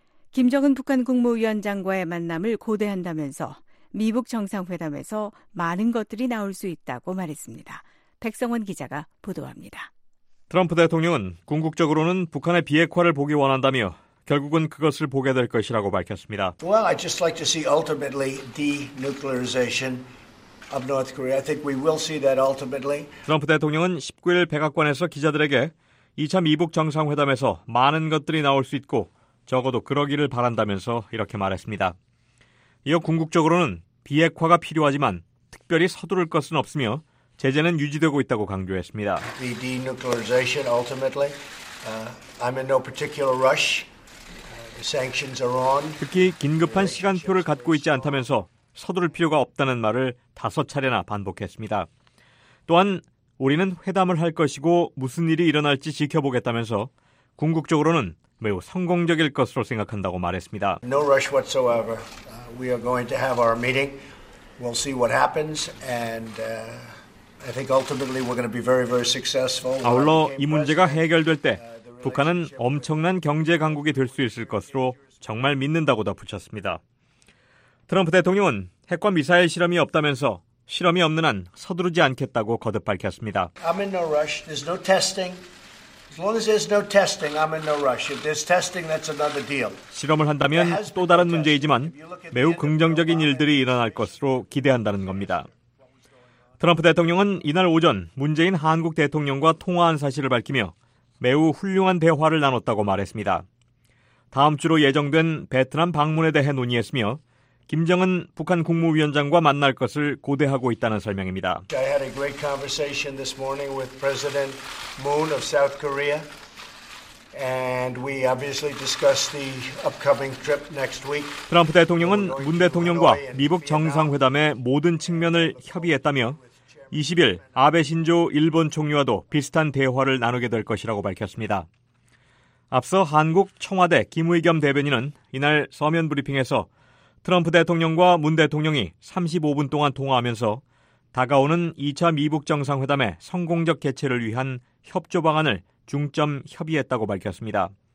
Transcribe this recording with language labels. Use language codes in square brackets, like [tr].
[ko] 김정은 북한 국무위원장과의 만남을 고대한다면서 미북 정상회담에서 많은 것들이 나올 수 있다고 말했습니다. 백성원 기자가 보도합니다. 트럼프 대통령은 궁극적으로는 북한의 비핵화를 보기 원한다며 결국은 그것을 보게 될 것이라고 밝혔습니다. [en] Well, I'd just like to see ultimately denuclearization of North Korea. I think we will see that ultimately. [ko] 트럼프 대통령은 19일 백악관에서 기자들에게 2차 미북 정상회담에서 많은 것들이 나올 수 있고 적어도 그러기를 바란다면서 이렇게 말했습니다. 이어 궁극적으로는 비핵화가 필요하지만 특별히 서두를 것은 없으며 제재는 유지되고 있다고 강조했습니다. [en] The denuclearization ultimately, I'm in no particular rush. The sanctions are on. [ko] 특히 긴급한 시간표를 갖고 있지 않다면서 서두를 필요가 없다는 말을 다섯 차례나 반복했습니다. 또한 우리는 회담을 할 것이고 무슨 일이 일어날지 지켜보겠다면서 궁극적으로는 매우 성공적일 것으로 생각한다고 말했습니다. [en] No rush whatsoever. We are going to have our meeting. We'll see what happens and I think ultimately we're going to be very very successful. [ko] 아울러 이 문제가 해결될 때 북한은 엄청난 경제 강국이 될 수 있을 것으로 정말 믿는다고 덧붙였습니다. 트럼프 대통령은 핵과 미사일 실험이 없다면서 실험이 없는 한 서두르지 않겠다고 거듭 밝혔습니다. [en] I'm in no rush. There's no testing. As long as there's no testing, I'm in no rush. If there's testing, that's another deal. [ko] 실험을 한다면 또 다른 문제이지만 매우 긍정적인 일들이 일어날 것으로 기대한다는 겁니다. 트럼프 대통령은 이날 오전 문재인 한국 대통령과 통화한 사실을 밝히며 매우 훌륭한 대화를 나눴다고 말했습니다. 다음 주로 예정된 베트남 방문에 대해 논의했으며 김정은 북한 국무위원장과 만날 것을 고대하고 있다는 설명입니다. [en] I had a great conversation this morning with President Moon of South Korea and we obviously discussed the upcoming trip next week. [ko] 트럼프 대통령은 문 대통령과 미북 정상회담의 모든 측면을 협의했다며 20일 아베 신조 일본 총리와도 비슷한 대화를 나누게 될 것이라고 밝혔습니다. 앞서 한국 청와대 김의겸 대변인은 이날 서면 브리핑에서 트럼프 대통령과 문 대통령이 35분 동안 통화하면서 다가오는 2차 미북 정상회담의 성공적 개최를 위한 협조 방안을 중점 협의했다고 밝혔습니다.